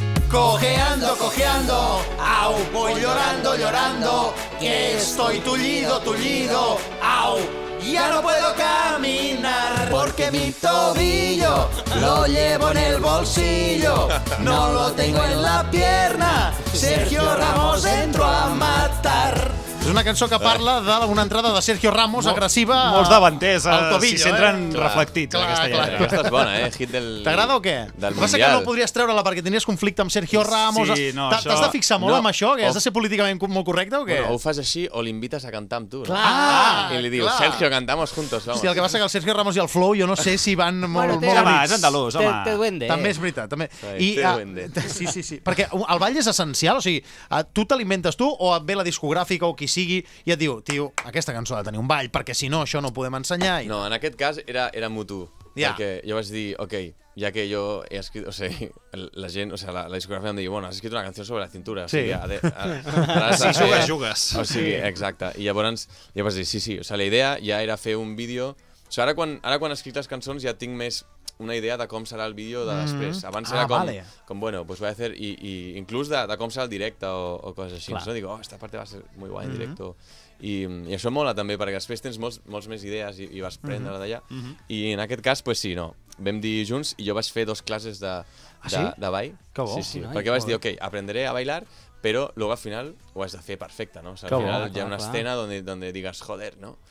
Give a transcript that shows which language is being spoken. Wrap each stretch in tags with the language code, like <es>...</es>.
<es>Cojeando, cojeando, au, voy llorando, llorando, que estoy tullido, tullido, au, ya no puedo caminar, porque mi tobillo lo llevo en el bolsillo, no lo tengo en la pierna, Sergio Ramos entró a matar.</es> <ca>És una cançó que parla d'una entrada de Sergio Ramos agressiva... Molts davanters, si s'entren reflectits. Clar, aquesta, clar, aquesta és bona, hit del... T'agrada o què? Del Mundial. Passa que no podries treure-la perquè tindries conflicte amb Sergio Ramos. Sí, no, t'has això... de fixar molt, no, amb això? Que has de ser políticament molt correcte o què? Bueno, o ho fas així o l'invites a cantar amb tu. Clar! No? I li dius, clar, Sergio, cantamos juntos, vamos. Hòstia, el que passa que el Sergio Ramos i el Flow, jo no sé si van molt... Bueno, home, és andalús, home. Te duende. També és veritat, també. Sí, te duende. Sí, sí, sí. Perquè el ball és essencial, o sigui, tu t'alimentes tu o ve la discogràfica o qui sigui i et diu, tio, aquesta cançó ha de tenir un ball, perquè si no, això no ho podem ensenyar. I... No, en aquest cas era mutu. Ja. Perquè jo vaig dir, ok, ja que jo he escrit, o sigui, la gent, o sigui, la discografia em deia, bueno, has escrit una canció sobre la cintura. Sí. Sí, jugues. O sigui, exacte. I llavors ja vaig dir, sí, sí, o sigui, la idea ja era fer un vídeo. O sigui, ara quan escric les cançons ja tinc més una idea de com serà el vídeo de després. Abans era com bueno, pues voy a hacer, i inclús de com serà el directe o coses així. Clar. No?</ca> <es>Digo, oh, esta parte va a ser muy guay en directo.</es> <ca>I això mola també, perquè després tens molts més idees i vas prendre d'allà. I en aquest cas, pues sí, no. Vam dir junts i jo vaig fer dos classes de ball. Que bo. Sí, sí. Noi, perquè vaig dir, ok, aprendré a bailar, però luego al final ho has de fer perfecte, no? O sea, al final hi ha una escena donde digues, joder, no?</ca>